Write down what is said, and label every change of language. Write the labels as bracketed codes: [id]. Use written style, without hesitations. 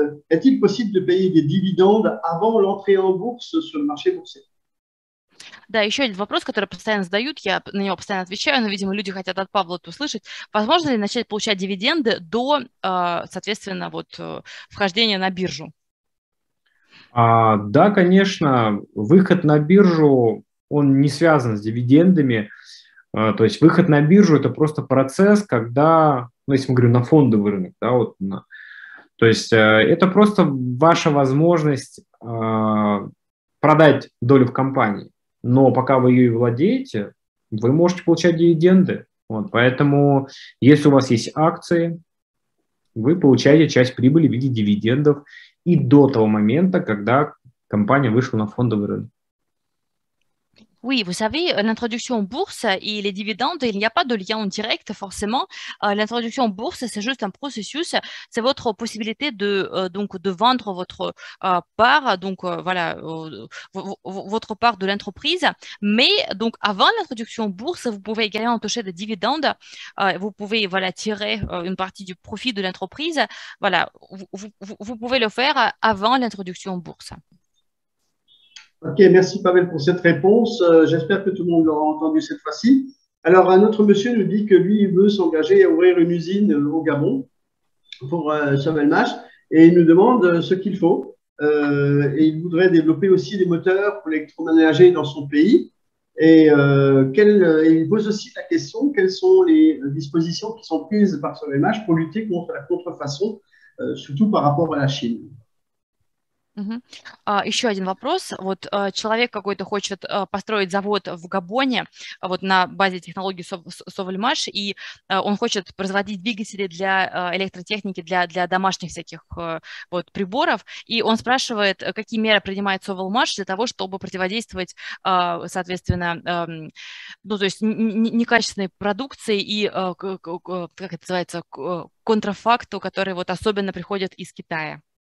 [fr] Est-il possible de payer des dividendes avant l'entrée en bourse sur le marché boursier? [ru] Да, еще один вопрос, который постоянно задают, я на него постоянно отвечаю, но, видимо, люди хотят от Павла это услышать. Возможно ли начать получать дивиденды до, соответственно, вот, вхождения на биржу? Да, конечно, выход на биржу, он не связан с дивидендами. То есть выход на биржу – это просто процесс, когда, ну, если мы говорим на фондовый рынок, да, вот, на, то есть это просто ваша возможность продать долю в компании. Но пока вы ее и владеете, вы можете получать дивиденды. Вот, поэтому, если у вас есть акции, вы получаете часть прибыли в виде дивидендов и до того момента, когда компания вышла на фондовый рынок. [fr] Oui, vous savez, l'introduction en bourse et les dividendes, il n'y a pas de lien direct forcément. L'introduction en bourse, c'est juste un processus, c'est votre possibilité de vendre votre part, donc voilà, votre part de l'entreprise. Mais donc avant l'introduction en bourse, vous pouvez également toucher des dividendes, vous pouvez voilà tirer une partie du profit de l'entreprise. Voilà, vous pouvez le faire avant l'introduction en bourse. Ok, merci Pavel pour cette réponse. J'espère que tout le monde l'aura entendu cette fois-ci. Alors, un autre monsieur nous dit que lui, il veut s'engager à ouvrir une usine au Gabon pour Sommelmash et il nous demande ce qu'il faut. Et il voudrait développer aussi des moteurs pour l'électroménager dans son pays. Et il pose aussi la question, quelles sont les dispositions qui sont prises par Sommelmash pour lutter contre la contrefaçon, surtout par rapport à la Chine? [ru] Еще один вопрос. Вот человек какой-то хочет построить завод в Габоне, вот на базе технологии Sovelmash, и он хочет производить двигатели для электротехники, для домашних всяких вот приборов, и он спрашивает, какие меры принимает Sovelmash для того, чтобы противодействовать, соответственно, ну то есть некачественной продукции и как это называется, контрафакту, который вот особенно приходит из Китая.